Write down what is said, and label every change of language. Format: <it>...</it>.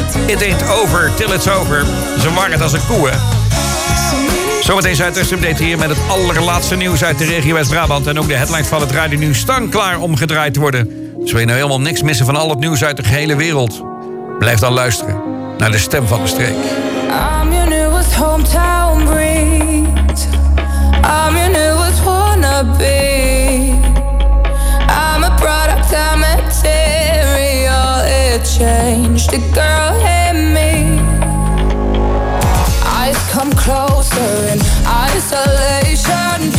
<en>It ain't over till it's over.</en> <nl>Ze waren het als een koe, hè? Zometeen Zuidwest-update hier met het allerlaatste nieuws uit de regio West-Brabant. En ook de headlines van het radio nu staan klaar om gedraaid te worden. Dus wil je nou helemaal niks missen van al het nieuws uit de gehele wereld? Blijf dan luisteren naar de Stem van de Streek.</nl> <en>I'm your newest hometown breed. I'm your newest wannabe. I'm a product, I'm a material. It changed the girl in me. Eyes come closer in isolation.</en>